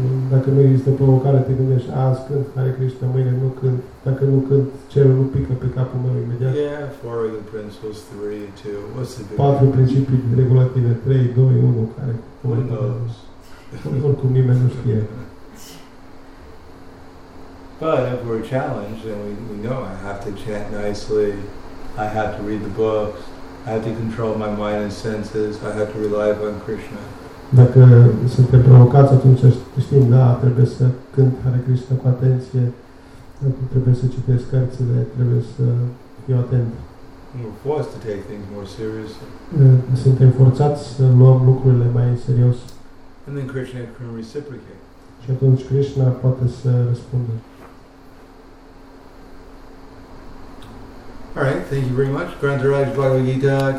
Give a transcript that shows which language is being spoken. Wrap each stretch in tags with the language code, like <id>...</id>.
<ro>Dacă nu există provocare, te gândești, azi când Hare Krishna, mâine nu când, dacă nu când, cerul nu pică pe capul meu imediat.</ro> <en>Yeah, four of the principles, three, two, what's the big deal?</en> <ro>Patru principii regulative, 3, 2, 1, care?</ro> <en>Who knows?</en> <ro>Oricum nimeni nu știe.</ro> <en>But if we're challenged, then we know I have to chant nicely, I have to read the books, I have to control my mind and senses, I have to rely upon Krishna.</en> <ro>Dacă suntem provocați, atunci știm, da, trebuie să cânt Hare Krishna cu atenție, trebuie să citesc cărțile, trebuie să fiu atent.</ro> <en>We're forced to take things more seriously.</en> <ro>Suntem forțați să luăm lucrurile mai în serios.</ro> <en>And then Krishna can reciprocate.</en> <ro>Și atunci Krishna poate să răspundă.</ro> <en>All right, thank you very much. Grantharaj Bhagavad Gita.</en>